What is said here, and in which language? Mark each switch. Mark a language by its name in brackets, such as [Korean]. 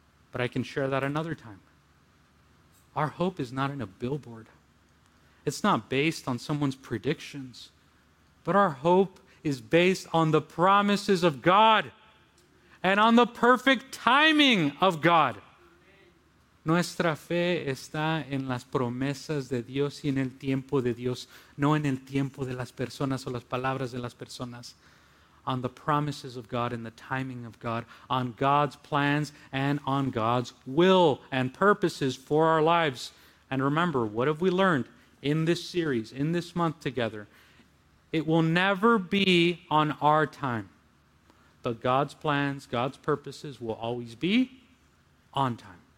[English] But I can share that another time. Our hope is not in a billboard. It's not based on someone's predictions. But our hope is based on the promises of God and on the perfect timing of God. [Spanish] Nuestra fe está en las promesas de Dios y en el tiempo de Dios, no en el tiempo de las personas o las palabras de las personas. [English] On the promises of God and the timing of God, on God's plans and on God's will and purposes for our lives. And remember, what have we learned in this series, in this month together? It will never be on our time, but God's plans, God's purposes will always be on time.